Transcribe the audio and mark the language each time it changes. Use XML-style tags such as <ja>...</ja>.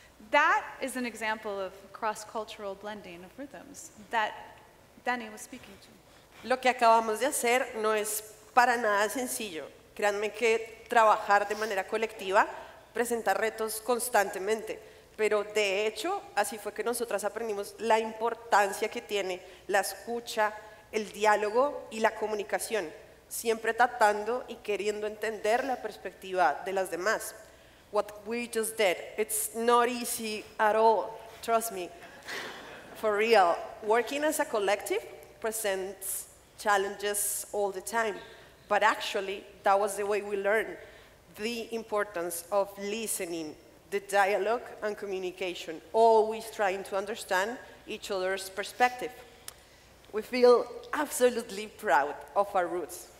<en>That is an example of cross-cultural blending of rhythms that Danny was speaking to.</en> <es>Lo que acabamos de hacer no es para nada sencillo. Créanme que trabajar de manera colectiva presenta retos constantemente, pero de hecho, así fue que nosotras aprendimos la importancia que tiene la escucha, el diálogo y la comunicación, siempre tratando y queriendo entender la perspectiva de las demás.</es> <en>What we just did, it's not easy at all, trust me, for real. Working as a collective presents challenges all the time, but actually, that was the way we learned the importance of listening, the dialogue and communication, always trying to understand each other's perspective. We feel absolutely proud of our roots.</en>